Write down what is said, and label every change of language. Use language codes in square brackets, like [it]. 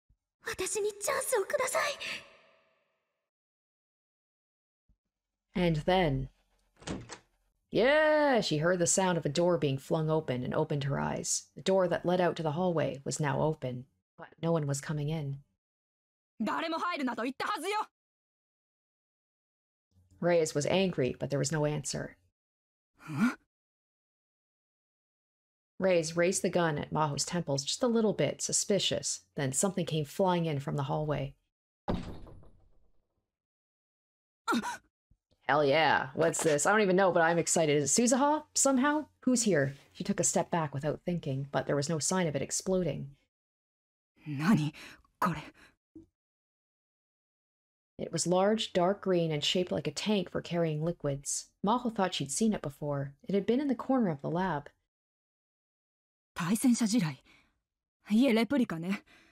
[ja] この子に及んで神頼みなんて怒るでしょうけど、私にチャンスをください。 [en] And then, yeah, she heard the sound of a door being flung open and opened her eyes. The door that led out to the hallway was now open, but no one was coming in. [ja] 誰も入るなと言ったはずよ。 [en] Reyes was angry, but there was no answer. Huh? Reyes raised the gun at Maho's temples just a little bit, suspicious. Then something came flying in from the hallway. Hell yeah. What's this? I don't even know, but I'm excited. Is it Suzuha? Somehow? Who's here? She took a step back without thinking, but there was no sign of it exploding. [ja] Nani? Kore? [en] It was large, dark green, and shaped like a tank for carrying liquids. Maho thought she'd seen it before. It had been in the corner of the lab. [ja] 対戦車地雷、いえレプリカね。